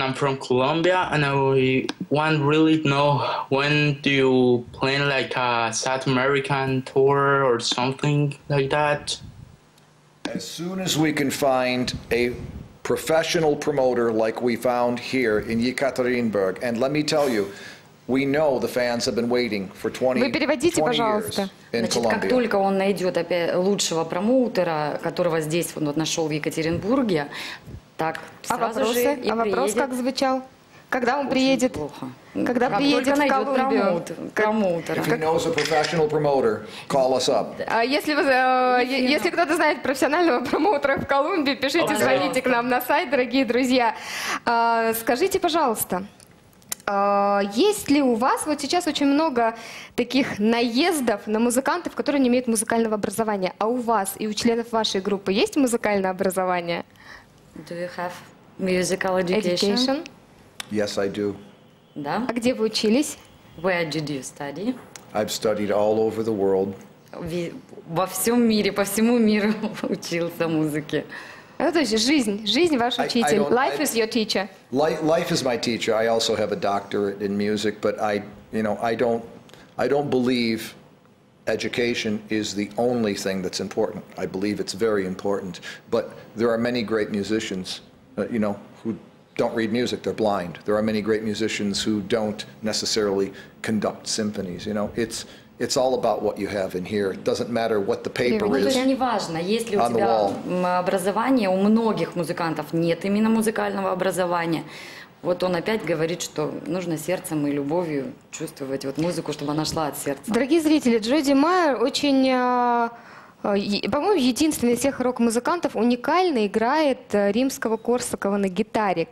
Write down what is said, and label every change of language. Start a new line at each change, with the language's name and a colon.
English: I'm from Colombia, and I want really to know, when do you plan like a South American tour or something like that? As soon as we can find a professional promoter like we found here in Yekaterinburg. And let me tell you, we know the fans have been waiting for 20 years in Colombia.
Russian: Значит, как только он найдет лучшего промоутера, которого здесь он нашел в Екатеринбурге, так, вопрос как звучал? Когда он приедет? Когда приедет в Колумбию? Промоутер.
English: If he knows a professional promoter, call us up.
Russian: Если кто-то знает профессионального промоутера в Колумбии, пишите, звоните к нам на сайт, дорогие друзья. Скажите, пожалуйста, Есть ли у вас, вот сейчас очень много таких наездов на музыкантов, которые не имеют музыкального образования, а у вас и у членов вашей группы есть музыкальное образование?
English: Do you have musical education? Yes, I do.
Russian: Да. А где вы учились?
English: Where did you study? I've studied all over the world.
Russian: Во всем мире, по всему миру учился музыке. Ну, то есть жизнь ваш учитель.
English: Life is your teacher. Life is my teacher. I also have a doctorate in music, but I don't believe education is the only thing that's important. I believe it's very important, but there are many great musicians, who don't read music. They're blind. There are many great musicians who don't necessarily conduct symphonies. You know, it's all about what you have in here. It doesn't matter what the paper is.
Russian: Не важно, есть ли у тебя образование. У многих музыкантов нет именно музыкального образования. Вот он опять говорит, что нужно сердцем и любовью чувствовать вот музыку, чтобы она шла от сердца. Дорогие зрители, Джоди Майер очень, по-моему, единственный из всех рок-музыкантов уникально играет Римского-Корсакова на гитаре.